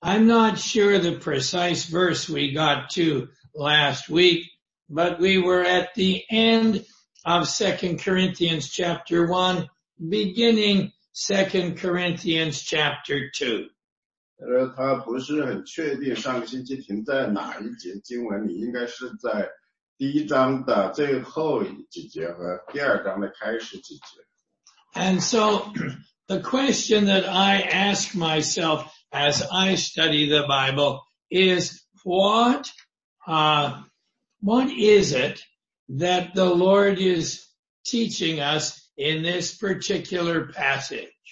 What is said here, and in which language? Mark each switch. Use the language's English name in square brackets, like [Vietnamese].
[English] I'm not sure the precise verse we got to last week, but we were at the end of 2 Corinthians chapter 1, beginning 2 Corinthians chapter 2. [Chinese] 他不是很确定上个星期停在哪一节经文，你应该是在第一章的最后一节和第二章的开始几节。 [English] And so the question that I ask myself as I study the Bible is what is it that the Lord is teaching us in this particular passage?